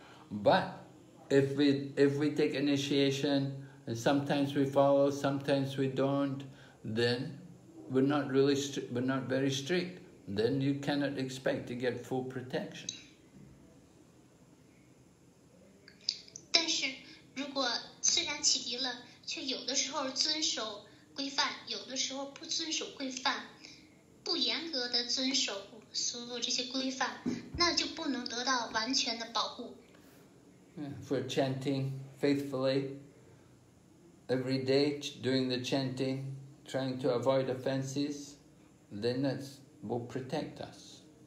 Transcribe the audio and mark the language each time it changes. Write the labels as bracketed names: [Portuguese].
[English] But if we take initiation and sometimes we follow, sometimes we don't, then we're not really we're not very strict. Then you cannot expect to get full protection. [Chinese] 如果虽然启迪了，却有的时候遵守规范，有的时候不遵守规范，不严格的遵守所有这些规范，那就不能得到完全的保护。Yeah, [English] if we're chanting faithfully every day, doing the chanting, trying to avoid offenses, then that will protect us.